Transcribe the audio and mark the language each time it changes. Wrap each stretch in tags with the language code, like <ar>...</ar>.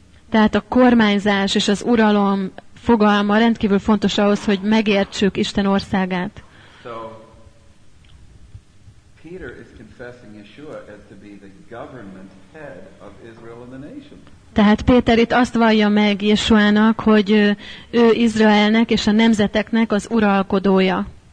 <hu>Tehát a kormányzás és az uralom fogalma rendkívül fontos ahhoz, hogy megértsük Isten országát.</hu> <en>So, Peter is confessing Yeshua as to be the government head of Israel and the nation.</en> <hu>Tehát Péter itt azt vallja meg Jesuának, hogy ő Izraelnek és a nemzeteknek az uralkodója.</hu>